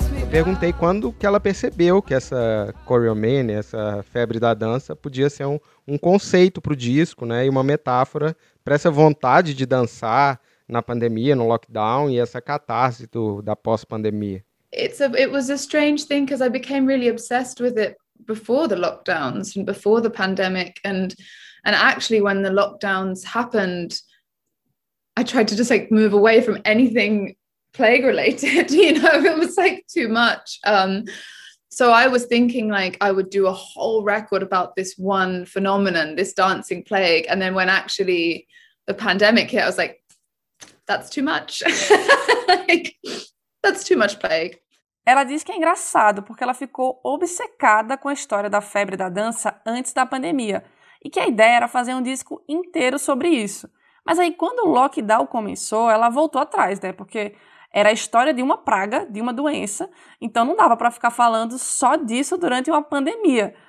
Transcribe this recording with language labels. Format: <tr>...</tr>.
<pt>Perguntei quando que ela percebeu que essa Choreomania, essa febre da dança, podia ser um conceito para o disco, né? E uma metáfora para essa vontade de dançar na pandemia, no lockdown, e essa catarse da pós-pandemia.</pt> <en>It was a strange thing because I became really obsessed with it before the lockdowns and before the pandemic. And actually, when the lockdowns happened, I tried to just like move away from anything plague related, you know, it was like too much. So I was thinking like I would do a whole record about this one phenomenon, this dancing plague. And then when actually the pandemic hit, I was like, that's too much. Like, that's too much plague.</en> <pt>Ela diz que é engraçado porque ela ficou obcecada com a história da febre da dança antes da pandemia e que a ideia era fazer um disco inteiro sobre isso. Mas aí quando o lockdown começou, ela voltou atrás, né? Porque era a história de uma praga, de uma doença, então não dava para ficar falando só disso durante uma pandemia.</pt>